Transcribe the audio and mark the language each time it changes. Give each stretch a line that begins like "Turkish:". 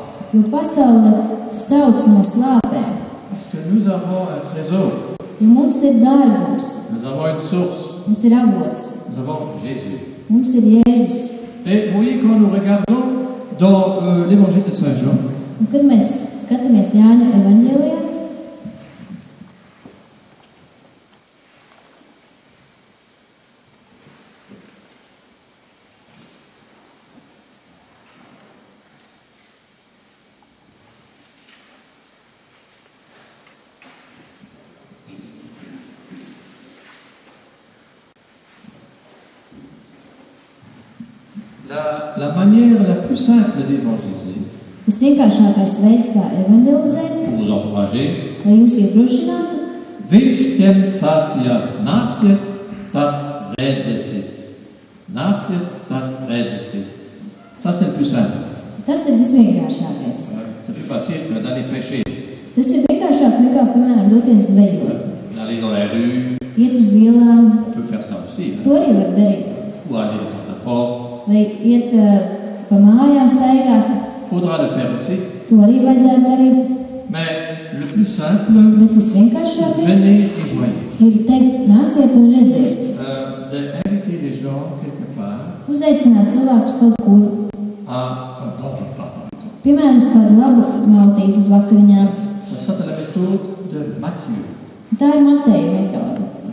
Latvian: Jo pasaule sauc no slāpēm.
French: Parce que nous avons un trésor.
Latvian: Jo mums ir dārgums.
French: Nous avons une source.
Latvian: Mums ir avots.
French: Nous avons Jésus.
Latvian: Mums ir Jēzus.
French: Et oui, quand nous regardons dans l'évangile de Saint Jean.
Latvian: Un kad mēs skatāmies Jāņa evaņģēlijā,
French: la manière la plus simple d'évangéliser.
Latvian: Tas vienkāršākais veids, kā evangelizēt. Uz apmažē. Lai jūs iedrošinātu. Viņš tiem sācīja, nāciet, tad redzēsit. Nāciet, tad redzēsit. Tas ir
French: plus simple.
Latvian: Tas ir visvienkāršākais.
French: C'est plus facile que d'aller pêcher.
Latvian: Tas ir vienkāršāk nekā, piemēram, doties zvejot.
French: D'aller dans la rue.
Latvian: Iet uz ielām.
French: On peut faire ça aussi.
Latvian: To arī var darīt.
French: Ou aller par la porte.
Latvian: Vai iet pa mājām staigāt.
French: Faudra le faire aussi.
Latvian: To arī vajadzētu darīt.
French: Mais le plus simple.
Latvian: Bet visvienkāršākais.
French: Venez et voyez.
Latvian: Ir teikt, nāciet un redziet.
French: D'inviter les gens quelque part.
Latvian: Uzaicināt cilvēkus kaut kur.
French: À un bon repas.
Latvian: Piemēram, uz kādu labu maltītu uz vakariņām.
French: Ça c'est la méthode de Matthieu.
Latvian: Tā ir Mateja metode.